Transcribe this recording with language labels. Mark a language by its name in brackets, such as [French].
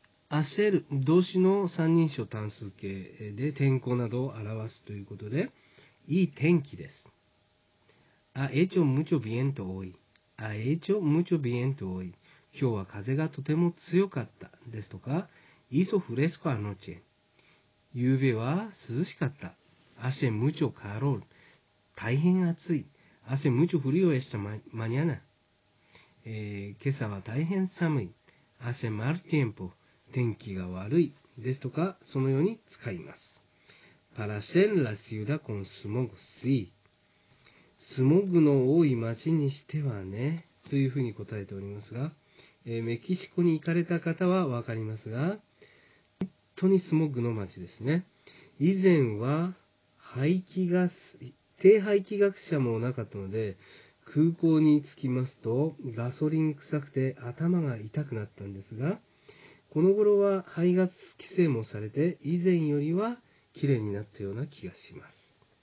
[Japanese] Hacer 動詞の三人称単数形で天候などを表すということで、いい天気です。 [Spanish] Ha hecho mucho viento hoy. Ha hecho mucho viento hoy. [Japanese] 今日は風がとても強かったですとか、 [Spanish] Hizo fresco anoche. [Japanese] 昨夜は涼しかった。 [Spanish] Hace mucho calor. [Japanese] 大変暑い。 [Spanish] Hace mucho frío esta mañana. [Japanese] 今朝は大変寒い。 [Spanish] Hace mal tiempo. [Japanese] 天気が悪い。ですとか、そのように使います。 [Spanish] Para hacer la ciudad con smog, sí. [Japanese] スモグの多い町にしてはね。というふうに答えておりますが、メキシコに行かれた方はわかりますが、本当にスモッグの街ですね。以前は排気ガス、低排気ガス車もなかったので、空港に着きますとガソリン臭くて頭が痛くなったんですが、この頃は排ガス規制もされて、以前よりは綺麗になったような気がします。